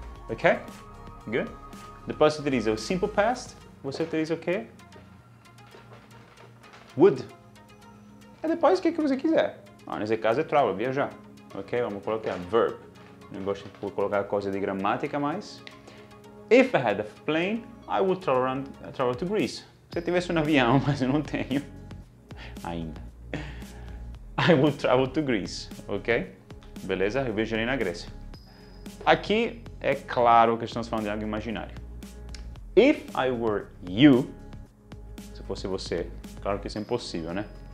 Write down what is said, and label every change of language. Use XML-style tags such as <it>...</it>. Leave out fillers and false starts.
<en>Ok? Good?</en> <pt>Depois você utiliza o simple past, você utiliza o quê? Would. E depois o que você quiser. Ah, nesse caso é travel, viajar. Ok? Vamos colocar verb. Não gosto de colocar coisa de gramática, mas...</pt> <en>If I had a plane, I would travel to Greece.</en> <pt>Se eu tivesse avião, mas eu não tenho. Ainda.</pt> <en>I would travel to Greece,</en> <pt>ok? Beleza? Eu viajarei na Grécia. Aqui é claro que estamos falando de algo imaginário.</pt> <en>If I were you,</en> <pt>se fosse você, claro que isso é impossível, né?</pt>